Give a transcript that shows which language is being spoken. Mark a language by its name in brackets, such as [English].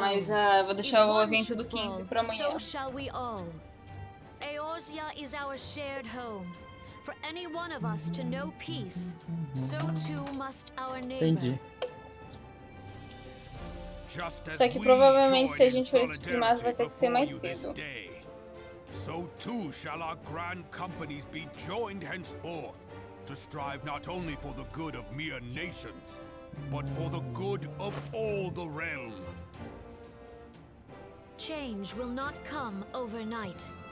[Portuguese] Mas vou deixar o evento do 15 para amanhã. [English] So shall we all. Eorzea is our shared home. For any one of us to know peace, so too must our neighbor. [Portuguese] Só que provavelmente se a gente for streamar vai ter que ser mais cedo. [English] So too shall our grand companies be joined henceforth to strive not only for the good of mere nations, but for the good of all the realm. Change will not come overnight.